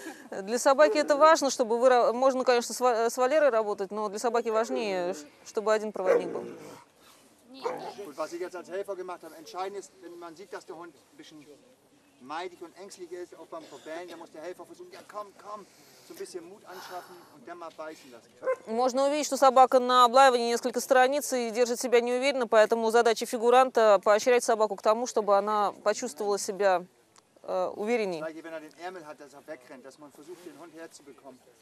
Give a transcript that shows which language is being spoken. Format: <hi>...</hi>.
<ru>Для собаки это важно, чтобы вы... Можно, конечно, с Валерой работать, но для собаки важнее, чтобы один проводник был.</ru> <de>Und was ich jetzt als Helfer gemacht habe, entscheidend ist, wenn man sieht, dass der Hund ein bisschen meidig und ängstlich ist, auch beim Verbellen, dann muss der Helfer versuchen, ja komm, komm, so ein bisschen Mut anschaffen und dann mal beißen lassen.</de> <ru>Можно увидеть, что собака на облаивании несколько страниц и держит себя неуверенно, поэтому задача фигуранта поощрять собаку к тому, чтобы она почувствовала себя увереннее.</ru> <de>Wenn er den Ärmel hat, dass er wegrennt, dass man versucht, den Hund herzubekommen.</de>